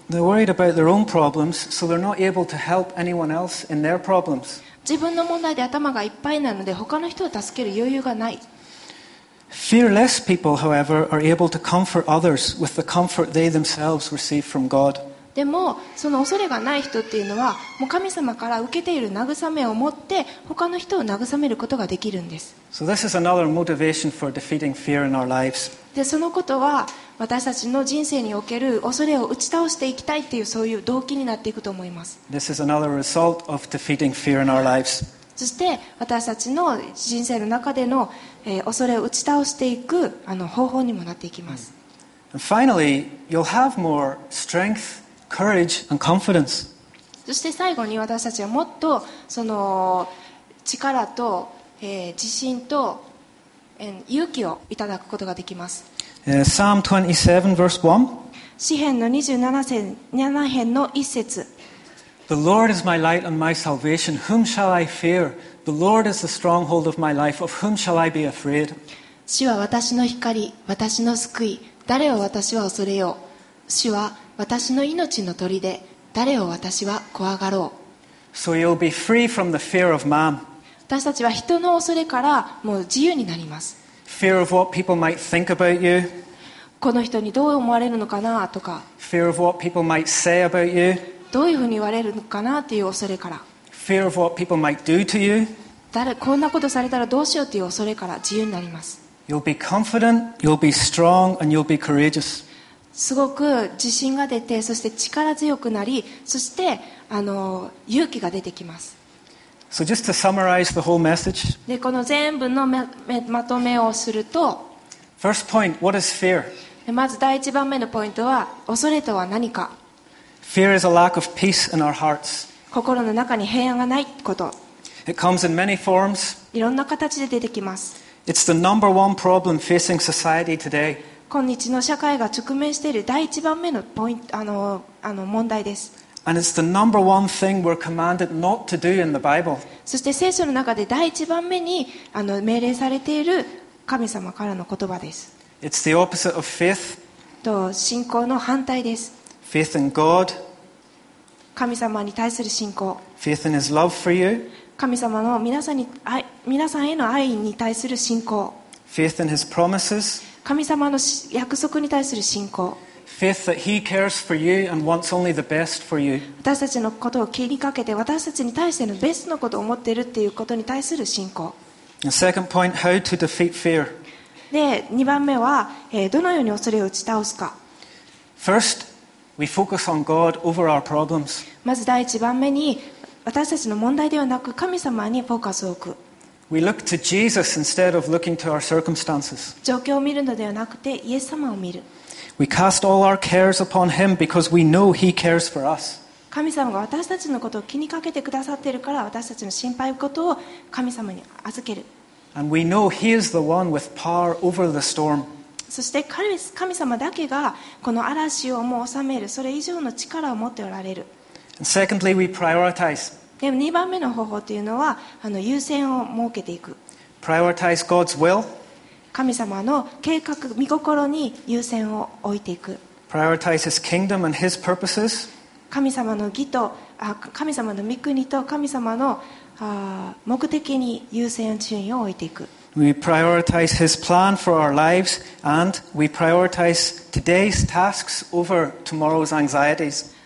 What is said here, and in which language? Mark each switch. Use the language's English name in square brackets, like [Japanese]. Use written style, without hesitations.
[English] They're worried about their own problems, so they're not able to help anyone else in their problems. [Japanese] 自分の問題で頭がいっぱいなので他の人を助ける余裕がない。 [English] Fearless people, however, are able to comfort others with the comfort they themselves receive from God. [Japanese] でもその恐れがない人っていうのはもう神様から受けている慰めを持って他の人を慰めることができるんです。 [English] So this is another motivation for defeating fear in our lives. [Japanese] でそのことは私たちの人生における恐れを打ち倒していきたいっていうそういう動機になっていくと思います。 [English] This is another result of defeating fear in our lives. [Japanese] そして私たちの人生の中での恐れを打ち倒していく方法にもなっていきます。 [English] Finally, you'll have more strength, courage, and confidence. [Japanese] そして最後に私たちはもっとその力と自信と勇気をいただくことができます。 [English] Psalm 27, verse 1. [Japanese] 詩篇の27編の1節。 [English] The Lord is my light and my salvation. Whom shall I fear? The Lord is the stronghold of my life. Of whom shall I be afraid? [Japanese] 主は私の光、私の救い。誰を私は恐れよう。主は私の命の砦。誰を私は怖がろう。 [English] So you'll be free from the fear of man. [Japanese] 私たちは人の恐れからもう自由になります。 [English] Fear of what people might think about you. [Japanese] この人にどう思われるのかなとか。 [English] Fear of what people might say about you. [Japanese] どういうふうに言われるのかなっていう恐れから [English] Fear of what people might do to you. [Japanese] 誰こんなことされたらどうしようっていう恐れから自由になります。 [English] You'll be confident, you'll be strong, and you'll be courageous. [Japanese] すごく自信が出てそして力強くなりそして勇気が出てきます。 [English] So just to summarize the whole message. [Japanese] でこの全部のまとめをすると [English] First point, what is fear? [Japanese] でまず第一番目のポイントは恐れとは何か。 [English] Fear is a lack of peace in our hearts. [Japanese] 心の中に平安がないこと。 [English] It comes in many forms. [Japanese] いろんな形で出てきます。 [English] It's the number one problem facing society today. [Japanese] 今日の社会が直面している第一番目のポイント、問題です。 [English] And it's the number one thing we're commanded not to do in the Bible. [Japanese] そして聖書の中で第一番目に命令されている神様からの言葉です。 [English] It's the opposite of faith. [Japanese] と信仰の反対です。 [English] Faith in God. [Japanese] 神様に対する信仰。 [English] Faith in His love for you. [Japanese] 神様の皆さんへの愛に対する信仰。 [English] Faith in His promises. [Japanese] 神様の約束に対する信仰。 [English] Faith that He cares for you and wants only the best for you. [Japanese] 私たちのことを気にかけて私たちに対してのベストのことを思っているっていうことに対する信仰。 [English] Second point, how to defeat fear. [Japanese] で、2番目は、どのように恐れを打ち倒すか。 [English] First,We focus on God over our problems. [Japanese] まず第一番目に私たちの問題ではなく神様にフォーカスを置く。 [English] We look to Jesus instead of looking to our circumstances. [Japanese] 状況を見るのではなくてイエス様を見る。 [English] We cast all our cares upon Him because we know He cares for us. [Japanese] 神様が私たちのことを気にかけてくださっているから私たちの心配事を神様に預ける。 [English] And we know He is the one with power over the storm. [Japanese] そして神様だけがこの嵐をもう治めるそれ以上の力を持っておられる。 [English] Secondly, we prioritize. [Japanese] でも2番目の方法というのは優先を設けていく。 [English] Prioritize God's will. [Japanese] 神様の計画、御心に優先を置いていく。 [English] Prioritize His kingdom and His purposes. [Japanese] 神様の義と、神様の御国と神様の目的に優先順位を置いていく。 [English] We prioritize His plan for our lives, and we prioritize today's tasks over tomorrow's anxieties.